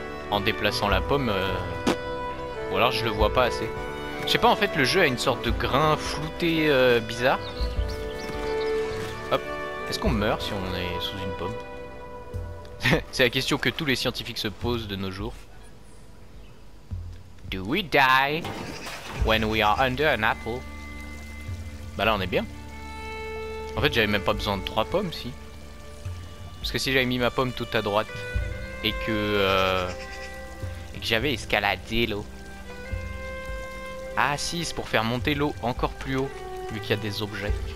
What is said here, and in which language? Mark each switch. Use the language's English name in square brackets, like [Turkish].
[French] En déplaçant la pomme... Ou alors, je le vois pas assez. Je sais pas, en fait, le jeu a une sorte de grain flouté bizarre. Hop. Est-ce qu'on meurt si on est sous une pomme? C'est la question que tous les scientifiques se posent de nos jours. [English] Do we die when we are under an apple? [French] Bah là on est bien. En fait j'avais même pas besoin de 3 pommes si. Parce que si j'avais mis ma pomme tout à droite et que j'avais escaladé l'eau. Ah si, c'est pour faire monter l'eau encore plus haut vu qu'il y a des objets.